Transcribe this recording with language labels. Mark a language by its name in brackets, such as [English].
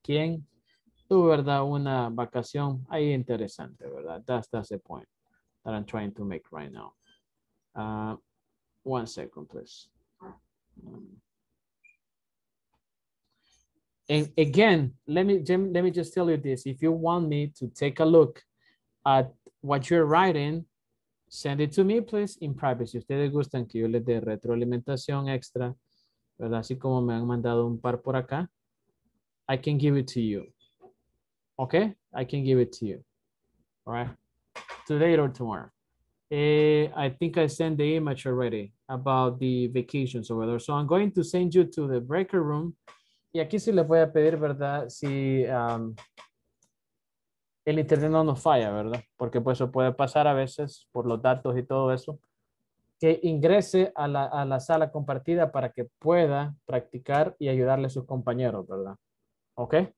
[Spanish] ¿Quién tuvo, verdad, una vacación ahí interesante, verdad? [English] That's the point that I'm trying to make right now. One second, please. And again, let me just tell you this. If you want me to take a look at what you're writing, send it to me, please, in private. [Spanish] Si ustedes gustan que yo les dé retroalimentación extra, ¿verdad? Así como me han mandado un par por acá, [English] I can give it to you. Okay? I can give it to you. All right? Today or tomorrow. I think I sent the image already about the vacations over there. So I'm going to send you to the breaker room. [Spanish] Y aquí sí les voy a pedir, ¿verdad? Si el internet no nos falla, ¿verdad? Porque pues eso puede pasar a veces por los datos y todo eso. Que ingrese a la sala compartida para que pueda practicar y ayudarle a sus compañeros, ¿verdad? ¿Ok?